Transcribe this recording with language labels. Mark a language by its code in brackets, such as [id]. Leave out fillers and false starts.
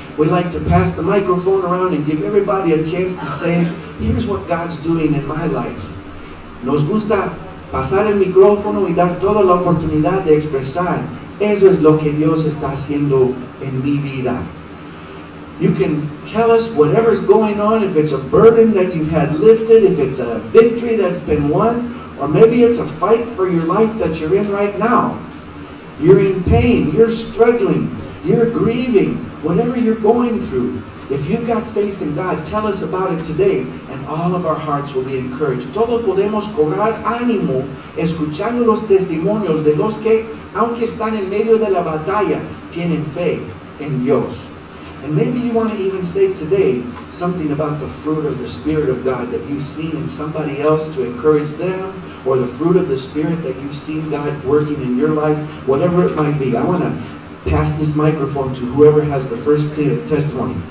[en] We like to pass the microphone around and give everybody a chance to say, here's what God's doing in my life. [es] Nos gusta pasar el micrófono y dar toda la oportunidad de expresar, eso es lo que Dios está haciendo en mi vida. [en] You can tell us whatever's going on, if it's a burden that you've had lifted, if it's a victory that's been won, or maybe it's a fight for your life that you're in right now. You're in pain, you're struggling, you're grieving, whatever you're going through. If you've got faith in God, tell us about it today, and all of our hearts will be encouraged. [es] Todos podemos cobrar ánimo escuchando los testimonios de los que, aunque están en medio de la batalla, tienen fe en Dios. [en] And maybe you want to even say today something about the fruit of the Spirit of God that you've seen in somebody else to encourage them, or the fruit of the Spirit that you've seen God working in your life, whatever it might be. I want to pass this microphone to whoever has the first testimony.